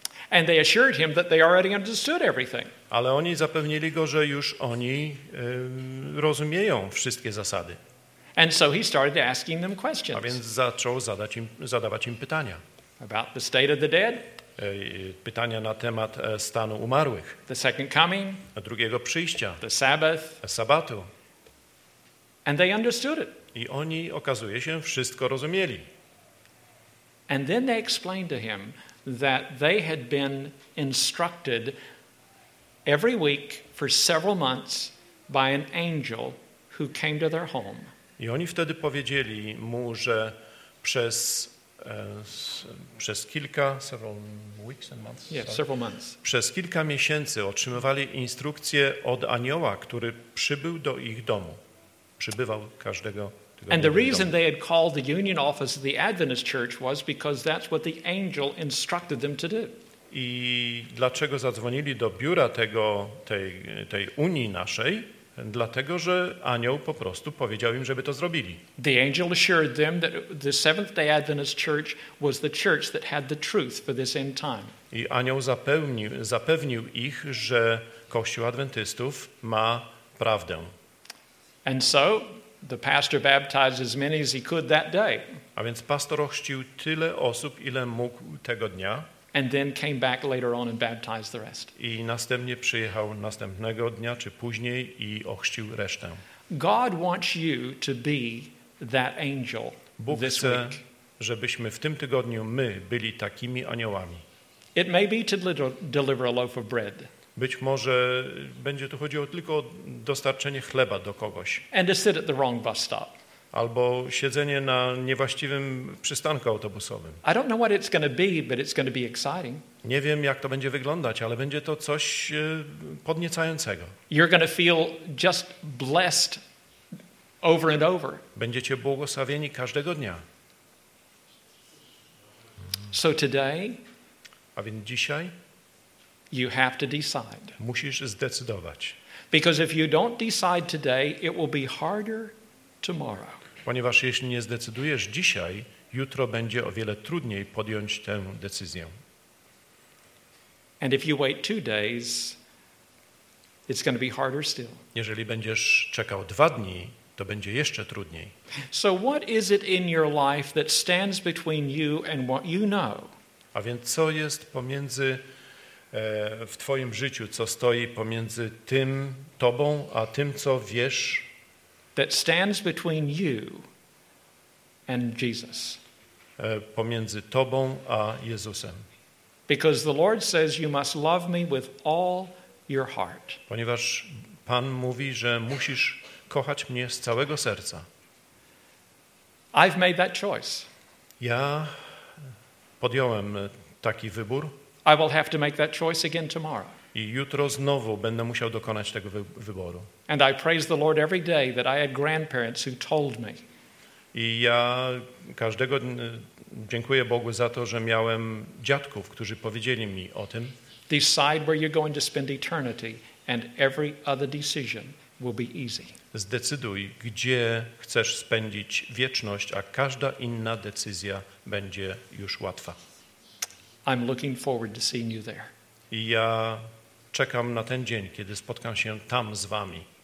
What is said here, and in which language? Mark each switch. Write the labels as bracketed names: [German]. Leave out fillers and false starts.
[English] And they assured him that they already understood everything. [Polish] Ale oni zapewnili go, że już oni rozumieją wszystkie zasady. [English] And so he started asking them questions. [Polish] A więc zaczął zadawać im pytania. [English] About the state of the dead. [Polish] Pytania na temat stanu umarłych. [English] The second coming. [Polish] Drugiego przyjścia. [English] The Sabbath. [Polish] Sabatu. [English] And they understood it. [Polish] I oni, okazuje się, wszystko rozumieli. [English] And then they explained to him that they had been instructed every week for several months by an angel who came to their home. [Polish] I oni wtedy powiedzieli mu, że przez przez kilka, [English] several weeks and months. Yeah, so, several months. [Polish] Przez kilka miesięcy otrzymywali instrukcje od anioła, który przybył do ich domu. Przybywał każdego tygodnia. [English] And the reason they had called the union office of the Adventist Church was because that's what the angel instructed them to do. [Polish] I dlaczego zadzwonili do biura tej unii naszej? Dlatego, że anioł po prostu powiedział im, żeby to zrobili. [English] The angel assured them that the Seventh-day Adventist Church was the church that had the truth for this end time. [Polish] I anioł zapewnił ich, że Kościół Adwentystów ma prawdę. [English] And so the pastor baptized as many as he could that day. [Polish] A więc pastor ochrzcił tyle osób, ile mógł tego dnia. [English] And then came back later on and baptized the rest. [Polish] I następnie przyjechał następnego dnia czy później i ochrzcił resztę. [English] God wants you to be that angel this week. [Polish] Bóg chce, żebyśmy w tym tygodniu my byli takimi aniołami. [English] It may be to deliver a loaf of bread. [Polish] Być może będzie tu chodziło tylko o dostarczenie chleba do kogoś. [English] And to sit at the wrong bus stop. [Polish] Albo siedzenie na niewłaściwym przystanku autobusowym. [English] I don't know what it's going to be, but it's going to be exciting. [Polish] Nie wiem, jak to będzie wyglądać, ale będzie to coś podniecającego. [English] You're going to feel just blessed over and over. [Polish] Będziecie błogosławieni każdego dnia. [English] So today, [Polish] a więc dzisiaj, [English] you have to decide. [Polish] Musisz zdecydować. [English] Because if you don't decide today, it will be harder. Tomorrow. [Polish] Ponieważ jeśli nie zdecydujesz dzisiaj, jutro będzie o wiele trudniej podjąć tę decyzję. [English] And if you wait 2 days, it's going to be harder still. [Polish] Jeżeli będziesz czekał 2 dni, to będzie jeszcze trudniej. [English] So what is it in your life that stands between you and what you know? [Polish] A więc co jest pomiędzy w twoim życiu, co stoi pomiędzy tym tobą a tym co wiesz? [English] That stands between you and Jesus. [Polish] Pomiędzy tobą a Jezusem. [English] Because the Lord says you must love me with all your heart. [Polish] Ponieważ Pan mówi, że musisz kochać mnie z całego serca. [English] I've made that choice. [Polish] Ja podjąłem taki wybór. [English] I will have to make that choice again tomorrow. [Polish] I jutro znowu będę musiał dokonać tego wyboru. [English] And I praise the Lord every day that I had grandparents who told me. [Polish] I ja każdego dnia dziękuję Bogu za to, że miałem dziadków, którzy powiedzieli mi o tym. [English] Decide where you're going to spend eternity and every other decision will be easy. [Polish] Zdecyduj, gdzie chcesz spędzić wieczność, a każda inna decyzja będzie już łatwa. [English] I'm looking forward to seeing you there. [Polish] I ja czekam na ten dzień, kiedy spotkam się tam z wami.